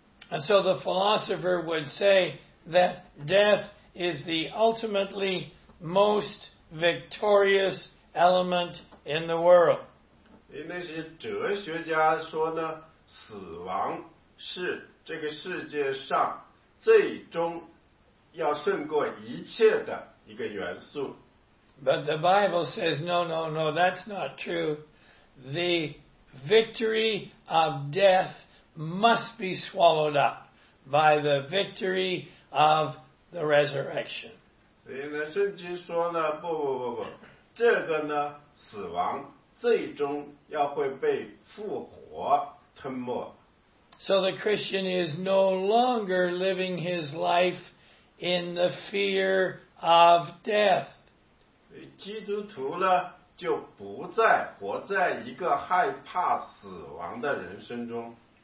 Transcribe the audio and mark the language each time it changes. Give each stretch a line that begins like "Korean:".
English: And so the philosopher would say that death is the ultimately most victorious element in the world.
Chinese: 因为那些哲学家说呢，死亡是这个世界上最终要胜过一切的一个元素。
English: But the Bible says, no, no, no, that's not true. The victory of death must be swallowed up by the victory of the resurrection.
Chinese: 所以呢，圣经说呢，不，这个呢，死亡最终要会被复活吞没。
English: So the Christian is no longer living his life in the fear of death.
Chinese: 基督徒呢，就不再活在一个害怕死亡的人生中。